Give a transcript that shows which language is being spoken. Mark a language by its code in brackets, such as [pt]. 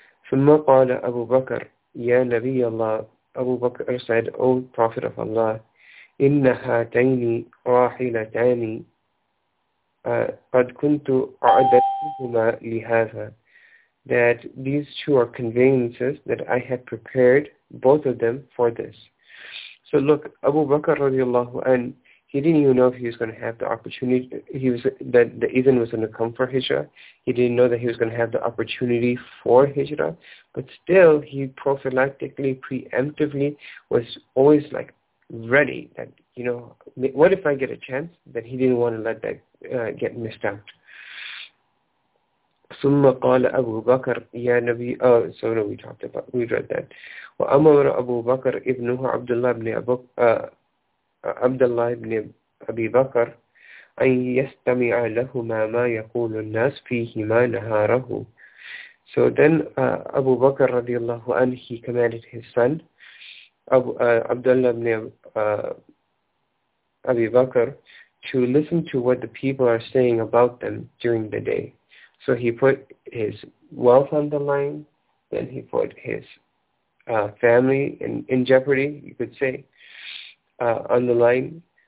[ar] ثم قال أبو بكر يا نبي الله. [en] Abu Bakr said, O Prophet of Allah, [ar] إن هاتين راحلتان قد كنت أعددتهما لهذا, [en] that these two are conveyances that I had prepared both of them for this. So look, Abu Bakr رضي الله عنه, he didn't even know if he was going to have the opportunity, that the Ethan was going to come for Hijrah. He didn't know that he was going to have the opportunity for Hijrah. But still, he prophylactically, preemptively, was always like ready. That, you know, what if I get a chance? That he didn't want to let that get missed out. [ar] ثم قال أبو بكر يا نبي. [en] Oh, so no, we read that. [ar] وأمر أبو بكر ابنه عبد الله بن أبو عبد الله بن أبي بكر أن يستمع لهما ما يقول الناس فيهما نهاره. [en] So then Abu Bakr رضي الله عنه, he commanded his son عبد الله بن أبي بكر to listen to what the people are saying about them during the day. So he put his wealth on the line, then he put his family in jeopardy, you could say, on the line.